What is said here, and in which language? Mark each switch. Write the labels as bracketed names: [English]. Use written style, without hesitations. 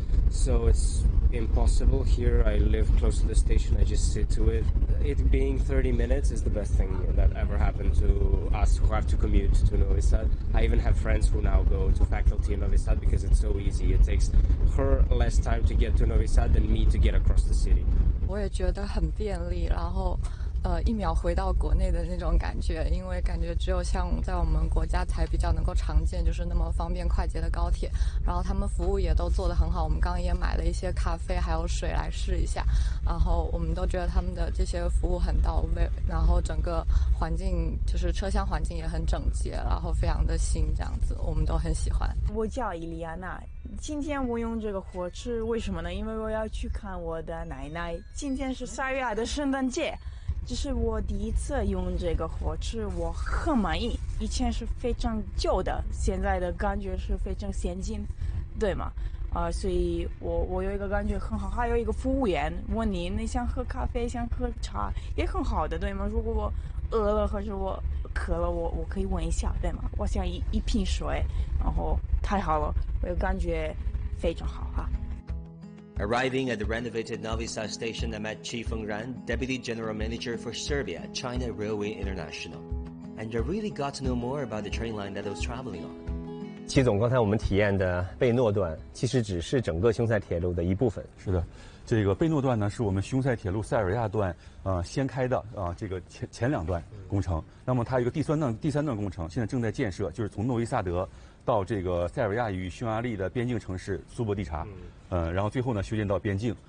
[English] So it's impossible. Here I live close to the station, I just sit to it. It being 30 minutes is the best thing that ever happened to us who have to commute to Novi Sad. I even have friends who now go to faculty in Novi Sad because it's so easy. It takes her less time to get to Novi Sad than me to get across the city. [Chinese] 我也觉得很便利，然后，疫苗回到国内的那种感觉，因为感觉只有像在我们国家才比较能够常见，就是那么方便快捷的高铁。然后他们服务也都做得很好，我们刚刚也买了一些咖啡还有水来试一下。然后我们都觉得他们的这些服务很到位，然后整个环境就是车厢环境也很整洁，然后非常的新这样子，我们都很喜欢。我叫伊利亚娜。今天我用这个火车，为什么呢？因为我要去看我的奶奶。今天是3月的圣诞节，这是我第一次用这个火车，我很满意。以前是非常旧的，现在的感觉是非常先进，对吗？所以我有一个感觉很好，还有一个服务员问你，你想喝咖啡，想喝茶，也很好的，对吗？如果我饿了或者我渴了，我可以问一下，对吗？我想一瓶水，然后太好了，我有感觉非常好啊。 [English] Arriving at the renovated Novi Sad station, I met Chi Feng Ran, Deputy General Manager for Serbia, China Railway International, and I really got to know more about the train line that I was traveling on. [Chinese] 齐总，刚才我们体验的贝诺段其实只是整个匈塞铁路的一部分。是的，这个贝诺段呢，是我们匈塞铁路塞尔维亚段先开的这个前两段工程。那么它一个第三段工程现在正在建设，就是从诺维萨德到这个塞尔维亚与匈牙利的边境城市苏博蒂察，然后最后呢修建到边境。